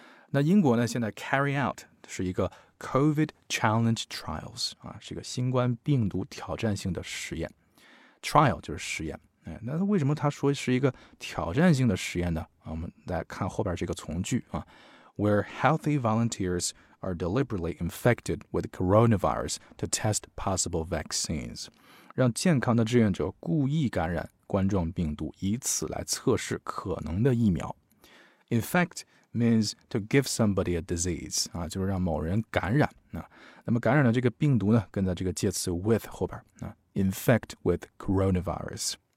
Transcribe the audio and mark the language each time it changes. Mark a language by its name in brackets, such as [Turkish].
[Chinese] 那英国呢，现在 carry out 是一个COVID challenge trials 啊，是一个新冠病毒挑战性的实验。Trial 就是实验。那为什么他说是一个挑战性的实验呢？我们来看后边这个从句啊 [English] ，Where healthy volunteers are deliberately infected with coronavirus to test possible vaccines， [Chinese] 让健康的志愿者故意感染冠状病毒，以此来测试可能的疫苗。 [English] Infect。 means to give somebody a disease [Chinese] 啊，就是让某人感染啊。那么感染的这个病毒呢，跟在这个介词 with 后边啊 [English] ，infect with coronavirus。